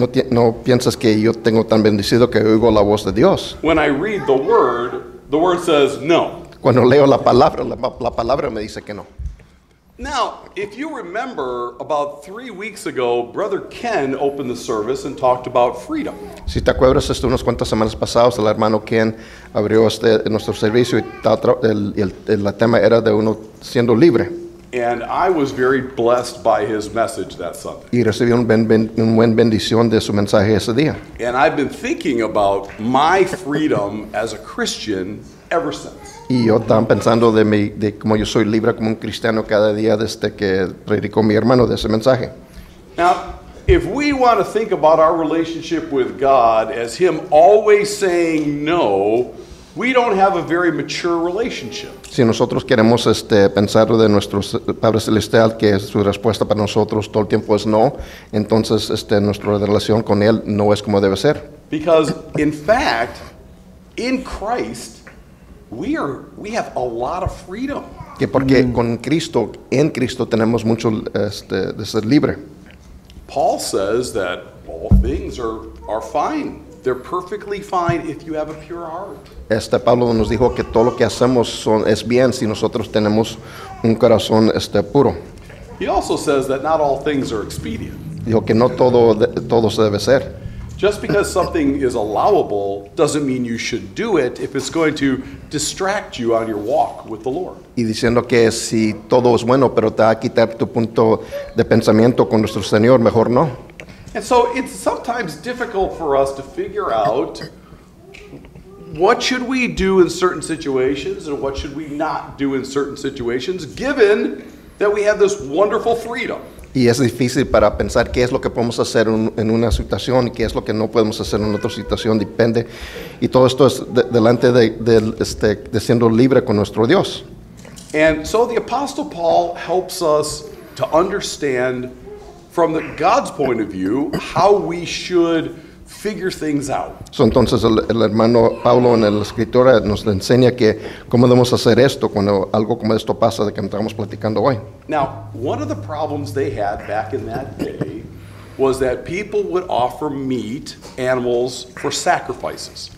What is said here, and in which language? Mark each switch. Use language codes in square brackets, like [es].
[es] No piensas que yo tengo tan bendecido que oigo la voz de Dios. [en] When I read the word says, no. [es] Cuando leo la palabra me dice que no. [en] Now, if you remember, about 3 weeks ago, Brother Ken opened the service and talked about freedom. [es] Si te acuerdas, unas cuantas semanas pasadas, el hermano Ken abrió nuestro servicio y el tema era de uno siendo libre. [en] And I was very blessed by his message that Sunday. [es] Y recibí un buen bendición de su mensaje ese día. [en] And I've been thinking about my freedom as a Christian ever since. [es] Y yo estaba pensando de cómo yo soy libre como un cristiano cada día desde que predicó mi hermano de ese mensaje. [en] Now, if we want to think about our relationship with God as him always saying no, we don't have a very mature relationship. [es] Si nosotros queremos pensar de nuestro Padre Celestial que su respuesta para nosotros todo el tiempo es no, entonces nuestra relación con él no es como debe ser. [en] Because, in fact, in Christ, we have a lot of freedom. [es] Que porque con Cristo, en Cristo tenemos mucho de ser libre. [en] Paul says that all things are fine. They're perfectly fine if you have a pure heart. [es] Pablo nos dijo que todo lo que hacemos es bien si nosotros tenemos un corazón puro. [en] He also says that not all things are expedient. [es] Dijo que no todo se debe ser. [en] Just because something is allowable doesn't mean you should do it if it's going to distract you on your walk with the Lord. [es] Y diciendo que si todo es bueno, pero te va a quitar tu punto de pensamiento con nuestro Señor, mejor no. [en] And so it's sometimes difficult for us to figure out what should we do in certain situations and what should we not do in certain situations, given that we have this wonderful freedom. [es] Y es difícil para pensar qué es lo que podemos hacer en una situación y qué es lo que no podemos hacer en otra situación, depende. Y todo esto es delante de siendo libre con nuestro Dios. [en] And so the Apostle Paul helps us to understand from God's point of view how we should figure things out. [es] So entonces el hermano Pablo en la escritura nos enseña que cómo debemos hacer esto cuando algo como esto pasa de que estamos platicando hoy. [en] Now, one of the problems they had back in that day was that people would offer meat, animals, for sacrifices.